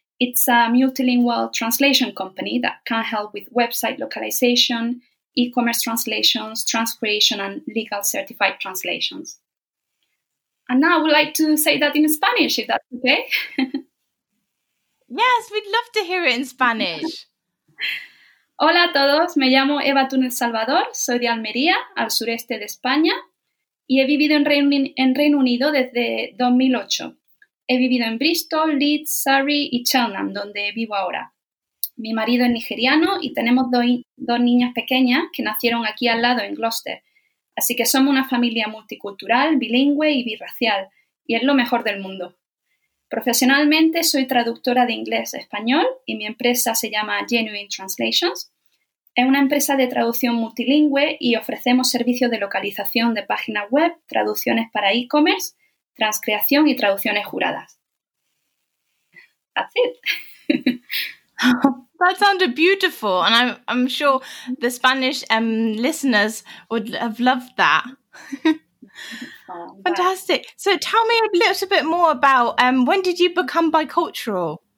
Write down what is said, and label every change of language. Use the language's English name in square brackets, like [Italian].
[Spanish] It's a multilingual translation company that can help with website localization, e-commerce translations, transcreation, and legal certified translations. And now I would like to say that in Spanish, if that's okay. Yes, we'd love to hear it in Spanish. Hola a todos, me llamo Eva Túnez Salvador, soy de Almería, al sureste de España, y he vivido en Reino Unido desde 2008. He vivido en Bristol, Leeds, Surrey y Cheltenham, donde vivo ahora. Mi marido es nigeriano y tenemos dos niñas pequeñas que nacieron aquí al lado en Gloucester. Así que somos una familia multicultural, bilingüe y birracial, y es lo mejor del mundo. Profesionalmente soy traductora de inglés a español y mi empresa se llama Genuine Translations. Es una empresa de traducción multilingüe y ofrecemos servicios de localización de páginas web, traducciones para e-commerce, transcreación y traducciones juradas. [English] That's it. That sounded beautiful, and I'm sure the Spanish listeners would have loved that. Fantastic. So tell me a little bit more about when did you become bicultural?